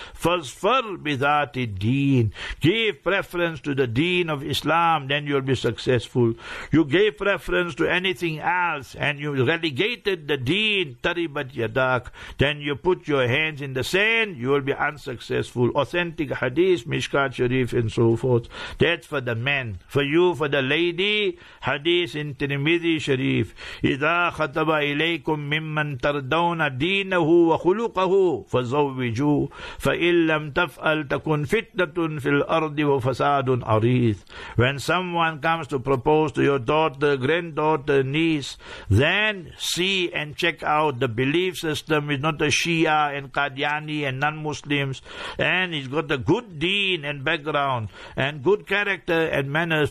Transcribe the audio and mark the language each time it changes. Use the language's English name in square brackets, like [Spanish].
[English] Fasfar bidhati deen, give preference to the deen of Islam, then you'll be successful. You gave preference to anything else and you relegated the deen, taribat yadak, then you put your hands in the sand, you will be unsuccessful. Authentic hadith, Mishkat Sharif and so forth. That's for the men. For you, for the lady, hadith in Tirmidhi Sharif, [Arabic] إِذَا خَتَبَ إِلَيْكُمْ مِمَّنْ تَرْدَوْنَ دِينَهُ وَخُلُقَهُ فَزَوِّجُوا فَإِنْ لَمْ تَفْأَلْ تَكُنْ فِتْنَةٌ فِي الْأَرْضِ وَفَسَادٌ عَرِيثٌ. [English] When someone comes to propose to your daughter, granddaughter, niece, then see and check out the belief system. It's not a Shia and Qadiani and non-Muslims, and he's got a good deen and background and good character and manners.